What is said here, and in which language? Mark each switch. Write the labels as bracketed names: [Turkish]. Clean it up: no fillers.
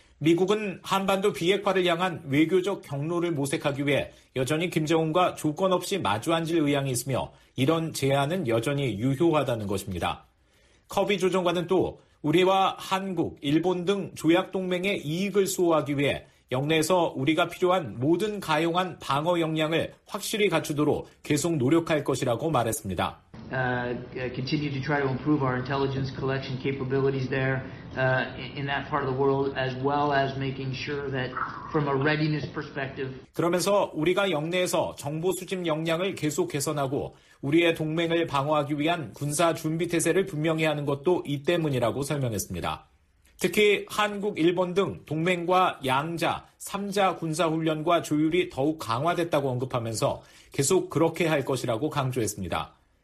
[Korean] 미국은 한반도 비핵화를 향한 외교적 경로를 모색하기 위해 여전히 김정은과 조건 없이 마주앉을 의향이 있으며 이런 제안은 여전히 유효하다는 것입니다. 커비 조정관은 또 우리와 한국, 일본 등 조약 동맹의 이익을 수호하기 위해 영내에서 우리가 필요한 모든 가용한 방어 역량을 확실히 갖추도록 계속 노력할 것이라고 말했습니다. [English] Continue to try to improve our intelligence collection capabilities there in that part of the world, as well as making sure that from a readiness perspective. [Korean] 그러면서 우리가 영내에서 정보 수집 역량을 계속 개선하고 우리의 동맹을 방어하기 위한 군사 준비 태세를 분명히 하는 것도 이 때문이라고 설명했습니다. 특히 한국, 일본 등 동맹과 양자, 삼자 군사훈련과 조율이 더욱 강화됐다고 언급하면서 계속 그렇게 할 것이라고 강조했습니다.